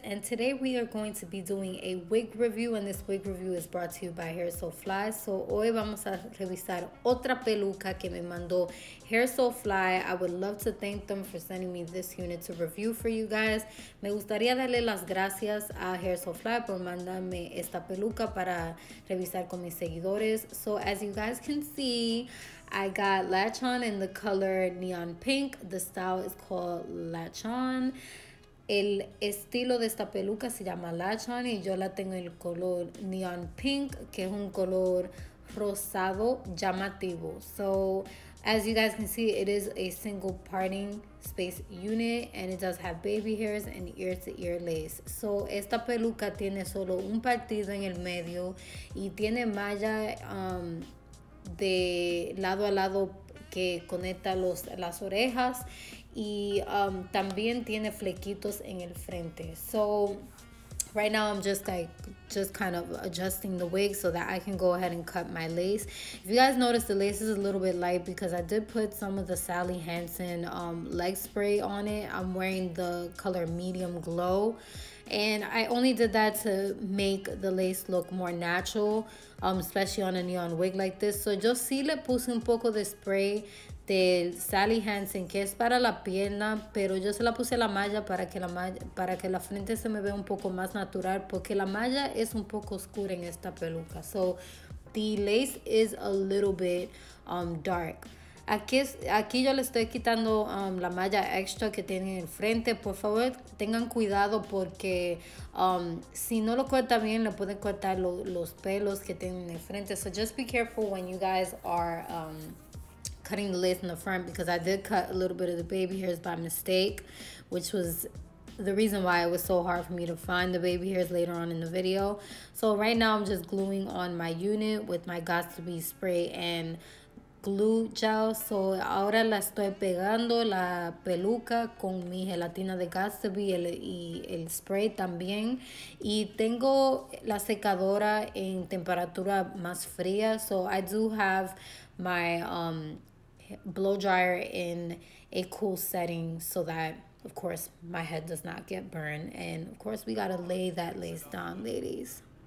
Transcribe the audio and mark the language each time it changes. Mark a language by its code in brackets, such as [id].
[en] And today we are going to be doing a wig review, and this wig review is brought to you by HairSoFly. [es] So hoy vamos a revisar otra peluca que me mandó HairSoFly. [en] I would love to thank them for sending me this unit to review for you guys. [es] Me gustaría darle las gracias a HairSoFly por mandarme esta peluca para revisar con mis seguidores. [en] So as you guys can see, I got latch on in the color neon pink. The style is called latch on. [es] El estilo de esta peluca se llama latch on y yo la tengo en el color neon pink, que es un color rosado llamativo. [en] So as you guys can see, it is a single parting space unit and it does have baby hairs and ear to ear lace. [es] So esta peluca tiene solo un partido en el medio y tiene malla de lado a lado que conecta las orejas y también tiene flequitos en el frente. [en] So right now I'm just kind of adjusting the wig so that I can go ahead and cut my lace. If you guys notice, the lace is a little bit light because I did put some of the Sally Hansen leg spray on it. I'm wearing the color medium glow and I only did that to make the lace look more natural, especially on a neon wig like this. [es] So yo sí le puse un poco de spray del Sally Hansen, que es para la pierna, pero yo se la puse la malla para que la frente se me vea un poco más natural, porque la malla es un poco oscura en esta peluca. [en] So the lace is a little bit dark. [es] Aquí yo le estoy quitando la malla extra que tiene en frente. Por favor, tengan cuidado porque si no lo corta bien, le pueden cortar los pelos que tienen en frente. [en] So just be careful when you guys are cutting the lace in the front, because I did cut a little bit of the baby hairs by mistake, which was the reason why it was so hard for me to find the baby hairs later on in the video. So right now I'm just gluing on my unit with my got to be spray and glue gel. [es] So ahora la estoy pegando la peluca con mi gelatina de Gatsby y el spray también, y tengo la secadora en temperatura más fría. [en] So I do have my blow dryer in a cool setting so that of course my head does not get burned, and of course we gotta lay that lace down, ladies.